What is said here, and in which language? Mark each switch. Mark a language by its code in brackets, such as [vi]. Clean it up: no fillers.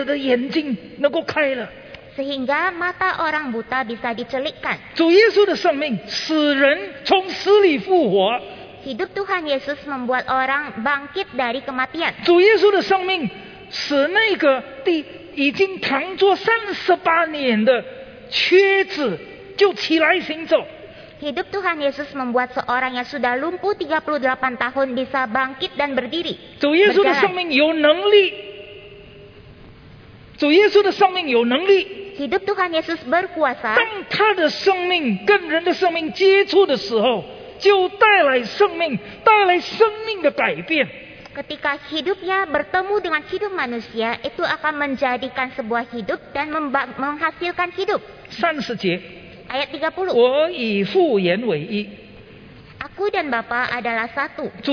[zh] 是一个瞎子的眼睛能够开了。 [id] Sehingga mata orang buta bisa dicelikkan. [zh] 主耶稣的生命使人从死里复活。 [id] Hidup Tuhan Yesus membuat orang bangkit dari kematian. [zh] 主耶稣的生命使那个地 已经躺坐38年的瘸子就起来行走。 [id] Hidup Tuhan Yesus membuat seorang yang sudah lumpuh 38 tahun bisa bangkit dan berdiri. [zh] 主耶稣的生命有能力。主耶稣的生命有能力。 [id] Hidup Tuhan Yesus berkuasa. [zh] 当他的生命跟人的生命接触的时候, 就带来生命,带来生命的改变。 [id] Ketika hidupnya bertemu dengan hidup manusia, itu akan menjadikan sebuah hidup dan menghasilkan hidup. [zh] 30节, [id] Ayat 30. [zh] 我以父言为一, [id] Aku dan Bapa adalah satu.